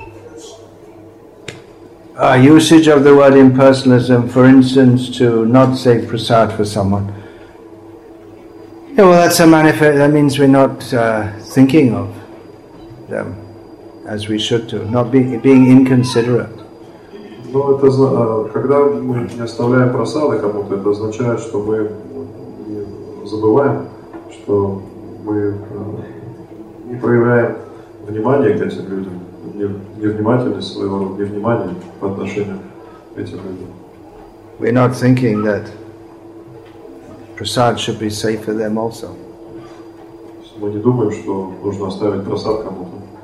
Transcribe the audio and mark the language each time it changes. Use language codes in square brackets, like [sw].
[en] Usage of the word impersonalism, for instance, to not save prasada for someone. Yeah, well, that's a manifest. That means we're not thinking of them as we should do, not being inconsiderate. [ru] Ну, это когда мы не оставляем просады кому-то, это означает, что мы забываем, что мы не проявляем внимания к этим людям, невнимательность своего, невнимание по отношению к этим людям. [en] We're not thinking that prasad should be safe for them also. [ru] Мы не думаем, что нужно оставить просад кому-то.